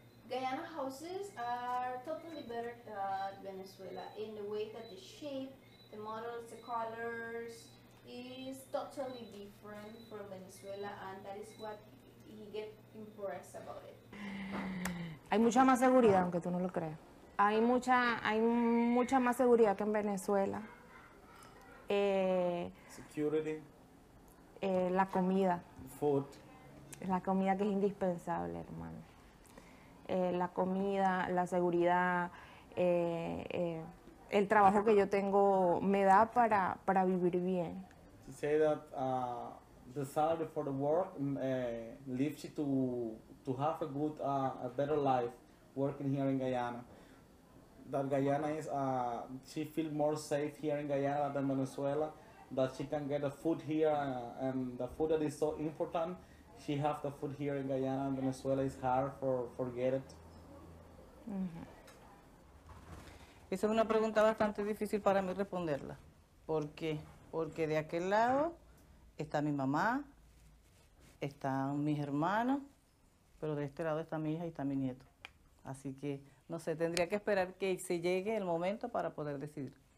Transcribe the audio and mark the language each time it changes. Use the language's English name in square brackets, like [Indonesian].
[English] Guyana houses are totally better than Venezuela in the way that the shape, the models, the colors is totally different from Venezuela, and that is what he get impressed about it. [Spanish] Hay mucha más seguridad, aunque tú no lo creas. Hay mucha más seguridad que en Venezuela. [English] Security. [Spanish] La comida. [English] Food. [Spanish] La comida que es indispensable, hermano. La comida, la seguridad, el trabajo que yo tengo me da para vivir bien. [English] She said that the salary for the work leaves you to have a good, a better life working here in Guyana. That Guyana is, she feels more safe here in Guyana than Venezuela, that she can get the food here, and the food that is so important, she has the food here in Guyana, and Venezuela is hard for get it. Mm-hmm. [Spanish] Esa es una pregunta bastante difícil para mí responderla. ¿Por qué? Porque de aquel lado está mi mamá, están mis hermanos, pero de este lado está mi hija y está mi nieto. Así que no sé, tendría que esperar que se llegue el momento para poder decidir.